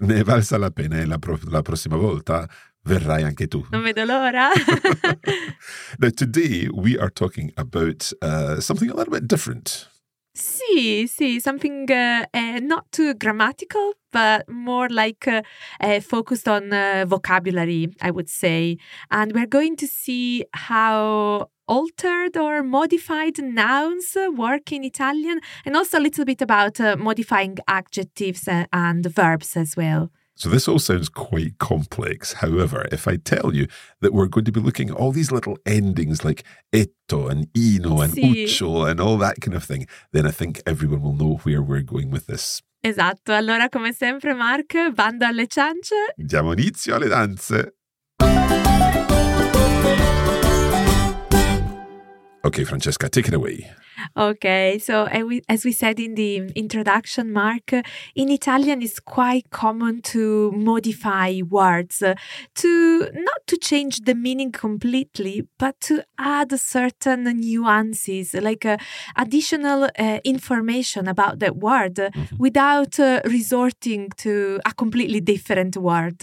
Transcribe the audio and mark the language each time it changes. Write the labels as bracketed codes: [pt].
[it] Ne è valsa la pena e la prossima volta verrai anche tu. Non vedo l'ora. [en] Now, today we are talking about something a little bit different. Sì, something not too grammatical, but more like focused on vocabulary, I would say. And we're going to see how altered or modified nouns work in Italian, and also a little bit about modifying adjectives and verbs as well. So this all sounds quite complex. However, if I tell you that we're going to be looking at all these little endings like etto and ino and uccio and all that kind of thing, then I think everyone will know where we're going with this. [it] Esatto. Allora, come sempre, Mark, bando alle ciance. Diamo inizio alle danze. [en] Okay, Francesca, take it away. Okay, so as we said in the introduction, Mark, in Italian it's quite common to modify words, not to change the meaning completely, but to add certain nuances, like additional information about that word without resorting to a completely different word.